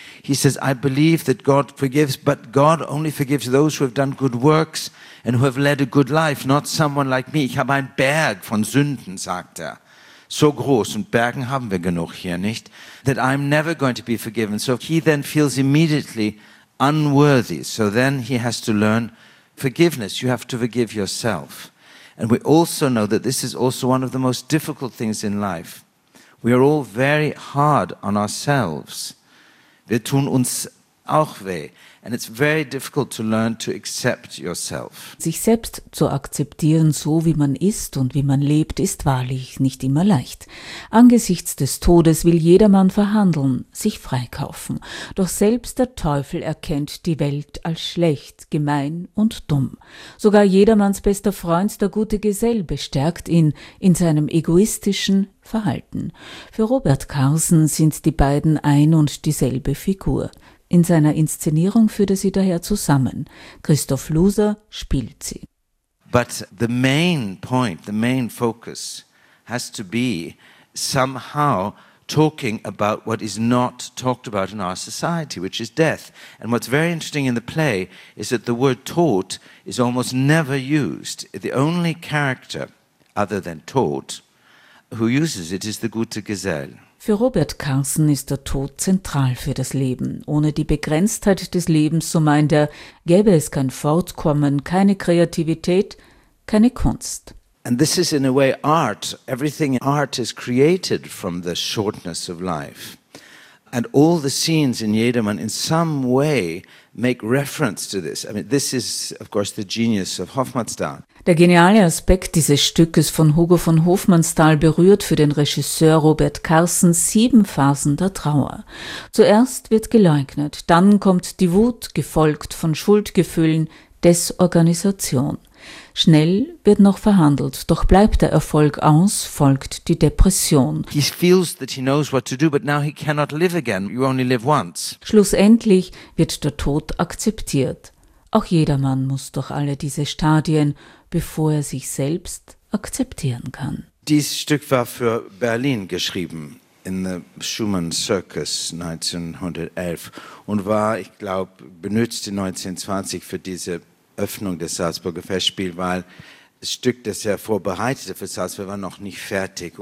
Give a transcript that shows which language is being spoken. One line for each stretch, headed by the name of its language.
English: He says, I believe that God forgives, but God only forgives those who have done good works and who have led a good life, not someone like me.
German: Ich habe einen Berg von Sünden, sagt er. So groß, und Bergen haben wir genug hier, nicht?
English: That I'm never going to be forgiven. So he then feels immediately unworthy. So then he has to learn forgiveness. You have to forgive yourself. And we also know that this is also one of the most difficult things in life. We are all very hard on ourselves.
German: Wir tun uns auch weh.
English: And it's very difficult to learn to accept yourself.
German: Sich selbst zu akzeptieren, so wie man ist und wie man lebt, ist wahrlich nicht immer leicht. Angesichts des Todes will jedermann verhandeln, sich freikaufen. Doch selbst der Teufel erkennt die Welt als schlecht, gemein und dumm. Sogar jedermanns bester Freund, der gute Gesell, bestärkt ihn in seinem egoistischen Verhalten. Für Robert Karsen sind die beiden ein und dieselbe Figur. In seiner Inszenierung führt er sie daher zusammen. Christoph Loser spielt sie.
English: But the main point, the main focus has to be somehow talking about what is not talked about in our society, which is death. And what's very interesting in the play is that the word Tod is almost never used. The only character other than Tod who uses it is the gute Gesell.
German: Für Robert Karsen ist der Tod zentral für das Leben. Ohne die Begrenztheit des Lebens, so meint er, gäbe es kein Fortkommen, keine Kreativität, keine Kunst.
English: And this is in a way art. Everything in art is created from the shortness of life. And all the scenes in Jedermann in some way make reference to this. I mean, this is, of course, the genius of Hofmannsthal.
German: Der geniale Aspekt dieses Stückes von Hugo von Hofmannsthal berührt für den Regisseur Robert Karsen 7 Phasen der Trauer. Zuerst wird geleugnet, dann kommt die Wut, gefolgt von Schuldgefühlen, Desorganisation. Schnell wird noch verhandelt, doch bleibt der Erfolg aus, folgt die Depression.
English: He feels that he knows what to do, but now he cannot live again. You only live once.
German: Schlussendlich wird der Tod akzeptiert. Auch jedermann muss durch alle diese Stadien, bevor er sich selbst akzeptieren kann. Dieses Stück war für Berlin geschrieben,
English: in the Schumann Circus 1911,
German: und war, ich glaube, benutzt in 1920 für diese Öffnung des Salzburger Festspiels, weil das Stück, das er vorbereitete für Salzburg, war noch nicht fertig.